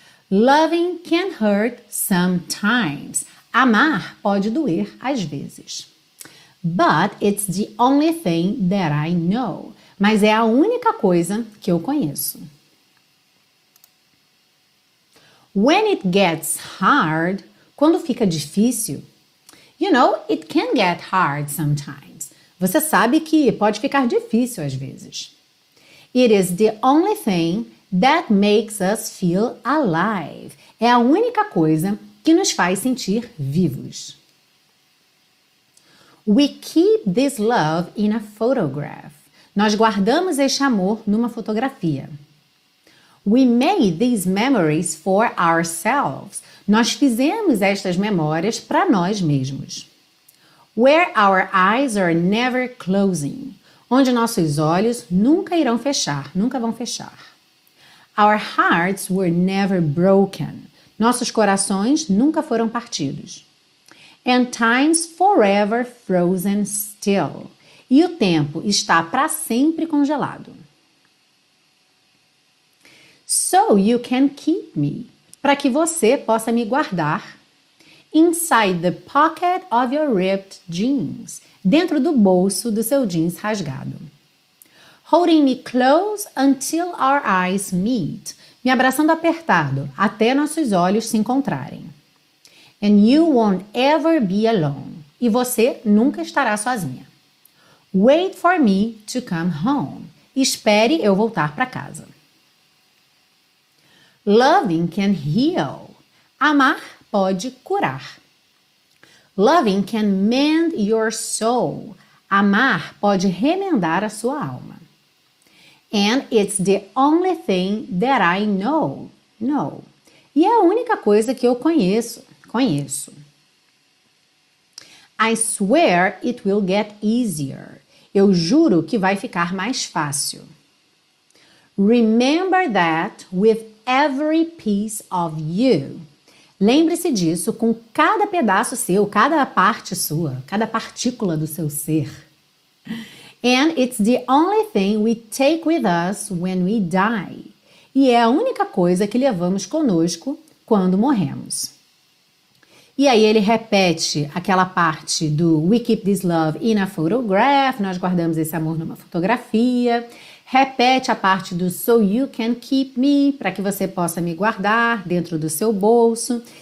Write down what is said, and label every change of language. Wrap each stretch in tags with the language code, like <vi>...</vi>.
<en>Loving can hurt sometimes.</en> <pt>Amar pode doer às vezes.</pt> <en>But it's the only thing that I know.</en> <pt>Mas é a única coisa que eu conheço.</pt> <en>When it gets hard,</en> <pt>quando fica difícil,</pt> <en>you know, it can get hard sometimes.</en> <pt>Você sabe que pode ficar difícil às vezes.</pt> <en>It is the only thing that makes us feel alive.</en> <pt>É a única coisa que nos faz sentir vivos.</pt> <en>We keep this love in a photograph.</en> <pt>Nós guardamos este amor numa fotografia.</pt> <en>We made these memories for ourselves.</en> <pt>Nós fizemos estas memórias para nós mesmos.</pt> <en>Where our eyes are never closing.</en> <pt>Onde nossos olhos nunca irão fechar, nunca vão fechar.</pt> <en>Our hearts were never broken.</en> <pt>Nossos corações nunca foram partidos.</pt> <en>And time's forever frozen still.</en> <pt>E o tempo está para sempre congelado.</pt> <en>So you can keep me,</en> <pt>para que você possa me guardar</pt> <en>inside the pocket of your ripped jeans,</en> <pt>dentro do bolso do seu jeans rasgado.</pt> <en>Holding me close until our eyes meet,</en> <pt>me abraçando apertado até nossos olhos se encontrarem.</pt> <en>And you won't ever be alone,</en> <pt>e você nunca estará sozinha.</pt> <en>Wait for me to come home,</en> <pt>espere eu voltar para casa.</pt> <en>Loving can heal.</en> <pt>Amar pode curar.</pt> <en>Loving can mend your soul.</en> <pt>Amar pode remendar a sua alma.</pt> <en>And it's the only thing that I know. Know.</en> <pt>E é a única coisa que eu conheço. Conheço.</pt> <en>I swear it will get easier.</en> <pt>Eu juro que vai ficar mais fácil.</pt> <en>Remember that with every piece of you.</en> <pt>Lembre-se disso com cada pedaço seu, cada parte sua, cada partícula do seu ser.</pt> <en>And it's the only thing we take with us when we die.</en> <pt>E é a única coisa que levamos conosco quando morremos. E aí ele repete aquela parte do</pt> <en>We keep this love in a photograph,</en> <pt>nós guardamos esse amor numa fotografia. Repete a parte do</pt> <en>So you can keep me,</en> <pt>para que você possa me guardar dentro do seu bolso.</pt>